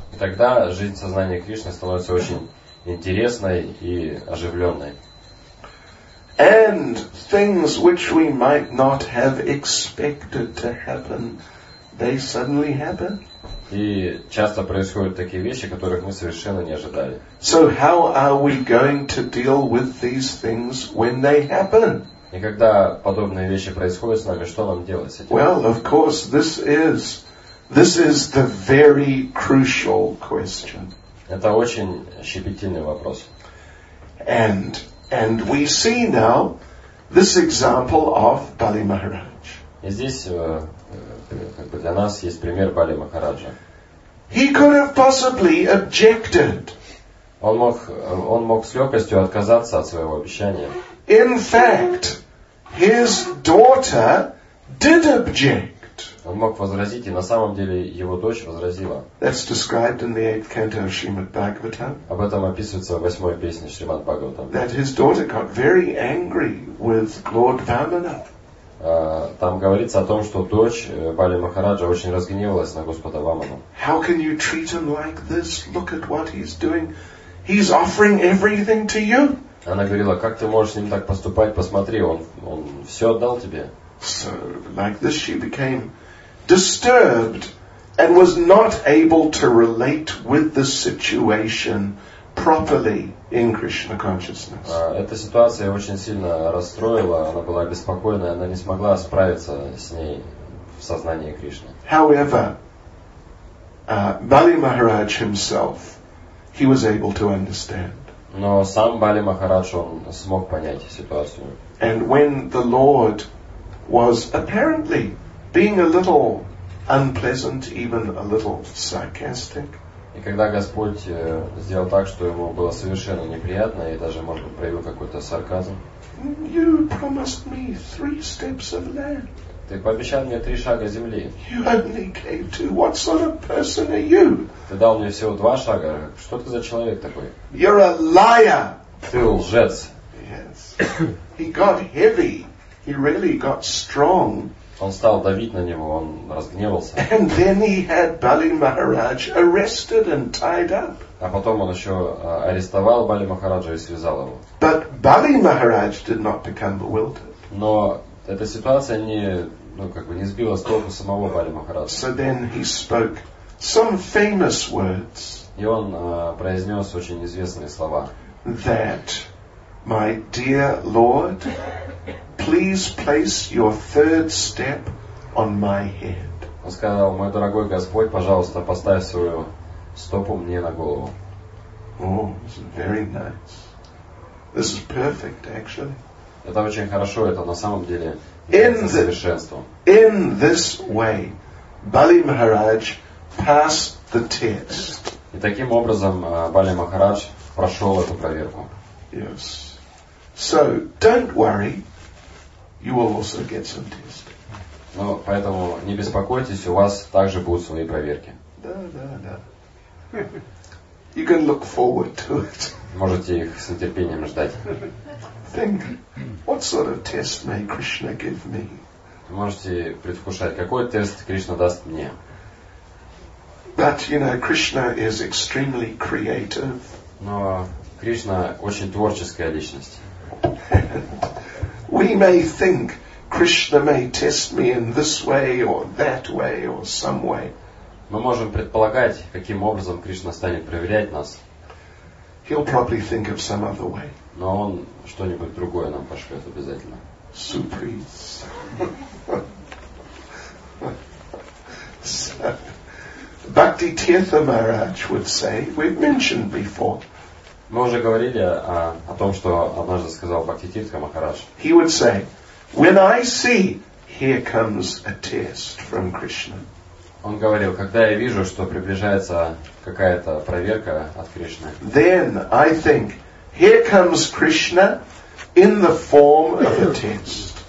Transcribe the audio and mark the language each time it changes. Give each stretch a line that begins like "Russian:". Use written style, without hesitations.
Russian: Тогда жизнь сознания Кришны становится очень интересной и оживленной.
English: And things which we might not have expected to happen, they suddenly happen.
Russian: И часто происходят такие вещи, которых мы совершенно не ожидали.
English: So how are we going to deal with these things when they happen?
Russian: И когда подобные вещи происходят с нами, что нам делать с этим?
English: Well, of course, this is the very crucial question.
Russian: Это очень щепетильный вопрос.
English: And we see now this example of Bali Maharaj.
Russian: И здесь как бы для нас есть пример Бали Махараджа.
English: He could have possibly objected.
Russian: Он мог с легкостью отказаться от своего обещания.
English: In fact, his daughter did object.
Russian: Он мог возразить, и на самом деле его дочь возразила.
English: That's described in the 8th canto of Srimad Bhagavatam.
Russian: Об этом описывается в 8-й песне Шримад Бхагаватам.
English: That his daughter got very angry with Lord Vamana.
Russian: Там говорится о том, что дочь Бали Махараджа очень разгневалась на Господа Вамана.
English: How can you treat him like this? Look at what he's doing. He's offering everything to you.
Russian: Она говорила, как ты можешь с ним так поступать, посмотри, он все отдал тебе.
English: So, like this she became disturbed and was not able to relate with the situation properly in Krishna consciousness.
Russian: Эта ситуация очень сильно расстроила, она была обеспокоена, она не смогла справиться с ней в сознании Кришны.
English: However, Бали Махарадж himself, he was able to understand.
Russian: Но сам Бали Махарадж, он смог понять ситуацию.
English: And when the Lord was apparently being a little unpleasant, even a little sarcastic.
Russian: И когда Господь сделал так, что ему было совершенно неприятно, и даже, может быть, проявил какой-то сарказм.
English: You promised me 3 steps of land.
Russian: Ты пообещал мне 3 шага земли.
English: You only gave 2. What sort of person are you?
Russian: Ты дал мне всего 2 шага. Что ты за человек такой?
English: You're a liar.
Russian: Ты лжец.
English: Yes. He got heavy. He really got strong.
Russian: Он стал давить на него. Он разгневался.
English: And then he had Бали Махарадж arrested and tied up.
Russian: А потом он еще арестовал Бали Махараджа и связал его.
English: But Бали Махарадж did not become bewildered.
Russian: Но эта ситуация не сбила с толку самого Бали Махараджа.
English: So then he spoke some famous words.
Russian: И он произнес очень известные слова.
English: That, my dear Lord, please place your 3rd step on my head.
Russian: Он сказал, мой дорогой Господь, пожалуйста, поставь свою стопу мне на голову.
English: Oh, very nice. This is perfect, actually.
Russian: Это очень хорошо, это на самом деле совершенство.
English: In this way, Бали Махарадж passed the test.
Russian: И таким образом Бали Махарадж прошел эту проверку.
English: Yes. So don't worry, you will also get some tests.
Russian: Но поэтому не беспокойтесь, у вас также будут свои проверки. Да.
English: You can look forward to it.
Russian: Можете их с нетерпением ждать.
English: Think, what sort of test may Krishna give me?
Russian: можете предвкушать, какой тест Кришна даст мне.
English: But you know, Krishna is extremely creative.
Russian: Но Кришна очень творческая личность.
English: We may think Krishna may test me in this way or that way or some way.
Russian: Мы можем предполагать, каким образом Кришна станет проверять нас.
English: He'll probably think of some other way.
Russian: Но он что-нибудь другое нам пошлет обязательно.
English: Surprise. Bhakti Tirtha Maharaj would say, we've mentioned before.
Russian: Мы уже говорили о том, что однажды сказал Бхакти Тиртха Махарадж.
English: He would say, when I see, here comes a test from Krishna.
Russian: Он говорил, когда я вижу, что приближается какая-то проверка от Кришны.
English: Then I think, here comes Krishna in the form of a test.